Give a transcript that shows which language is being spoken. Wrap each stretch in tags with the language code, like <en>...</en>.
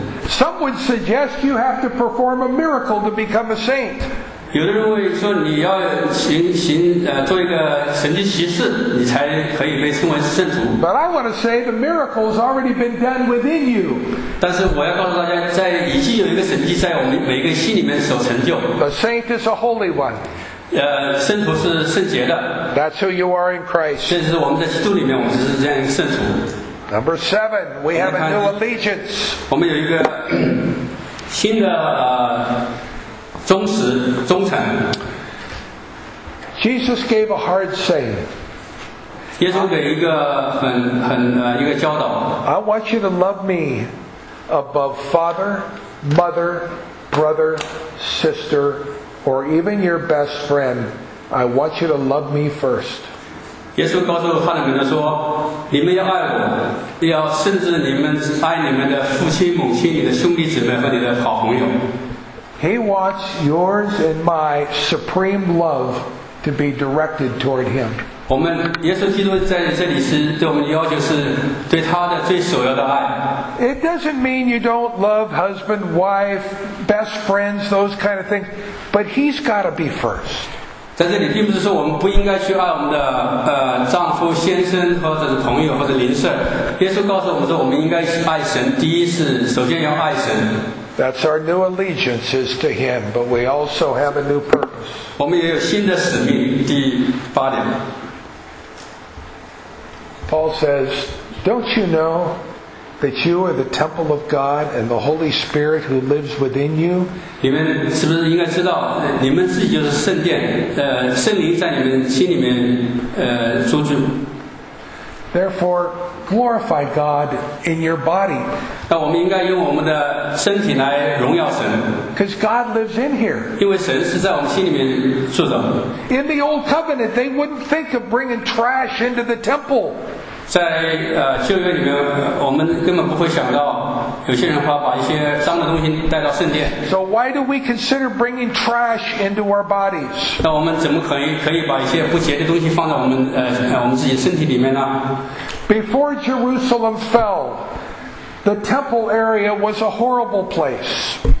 <en>Some would suggest you have to perform a miracle to become a saint.</en> <zh>有的人会说你要行做一个神迹奇事，你才可以被称为圣徒。</zh> <en>But I want to say the miracle has already been done within you.</en> <zh>但是我要告诉大家，在已经有一个神迹在我们每个心里面所成就。</zh> <en>A saint is a holy one.</en> <zh>圣徒是圣洁的。</zh> <en>That's who you are in Christ.</en> <zh>这是我们在基督里面，我们是这样一个圣徒。</zh> <en>Number seven, we have a new allegiance.</en> <zh>我们有一个新的忠实忠诚。</zh> <en>Jesus gave a hard saying.</en> <zh>耶稣给一个一个教导。</zh> <en>I want you to love me above father, mother, brother, sister, or even your best friend. I want you to love me first.</en> <zh>耶稣告诉他的门徒说：“你们要爱我，要甚至你们爱你们的父亲、母亲、你的兄弟姊妹和你的好朋友。”</zh> <en>He wants yours and my supreme love to be directed toward Him.</en> <zh>我们耶稣基督在这里是对我们的要求是对他的最首要的爱。</zh> <en>It doesn't mean you don't love husband, wife, best friends, those kind of things, but He's got to be first.</en> <zh>在这里并不是说我们不应该去爱我们的丈夫先生或者是朋友或者邻舍耶稣告诉我们说我们应该爱神第一是首先要爱神</zh> <en>That's our new allegiance is to him but we also have a new purpose</en> <zh>我们也有新的使命第八点</zh> <en>Paul says don't you know that you are the temple of God and the Holy Spirit who lives within you.</en> <zh>你们是不是应该知道你们自己就是圣殿圣灵在你们心里面住住。</zh> <en>Therefore, glorify God in your body.</en> <zh>那我们应该用我们的身体来荣耀神。</zh> <en>Because God lives in here.</en> <zh>因为神是在我们心里面住着。</zh> <en>In the Old Covenant, they wouldn't think of bringing trash into the temple.</en> <zh>在旧约里面，我们根本不会想到有些人会把一些脏的东西带到圣殿。</zh> <en>So why do we consider bringing trash into our bodies?</en> <zh>那我们怎么可以把一些不洁的东西放在我们自己身体里面呢</zh> <en>？Before Jerusalem fell, the temple area was a horrible place.</en>